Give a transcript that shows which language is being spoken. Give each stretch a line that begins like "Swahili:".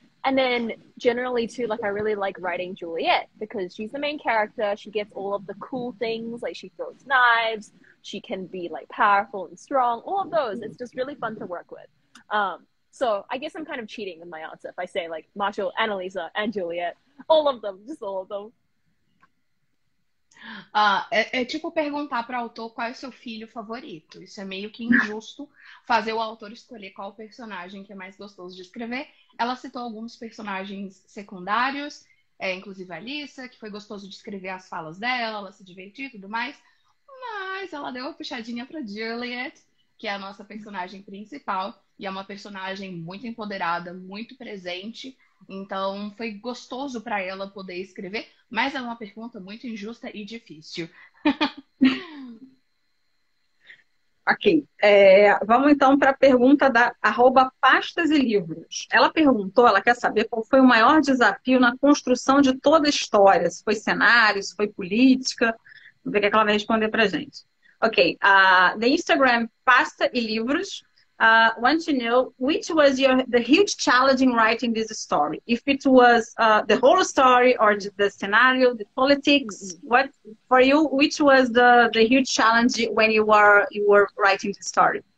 English: And then generally too, like I really like writing Juliet because she's the main character. She gets all of the cool things. Like she throws knives. She can be like powerful and strong. All of those. It's just really fun to work with. So I guess I'm kind of cheating in my answer if I say like Marshall and Elisa and Juliet. All of them. Just all of them.
Portuguese: É tipo perguntar para o autor qual é o seu filho favorito. Isso é meio que injusto fazer o autor escolher qual personagem que é mais gostoso de escrever. Ela citou alguns personagens secundários, inclusive a Alissa, que foi gostoso de escrever as falas dela, ela se divertiu e tudo mais. Mas ela deu uma puxadinha para Juliet, que é a nossa personagem principal. E é uma personagem muito empoderada, muito presente. Então, foi gostoso para ela poder escrever, mas é uma pergunta muito injusta e difícil. Ok. Vamos então para a pergunta da arroba pastas e livros. Ela perguntou, ela quer saber qual foi o maior desafio na construção de toda a história. Se foi cenário, se foi política. Vamos ver o que ela vai responder para a gente.
English: Ok. The Instagram pasta e livros. Want to know which was the huge challenge in writing this story? If it was the whole story or the scenario, the politics? Mm-hmm. What for you? Which was the huge challenge when you were writing the story?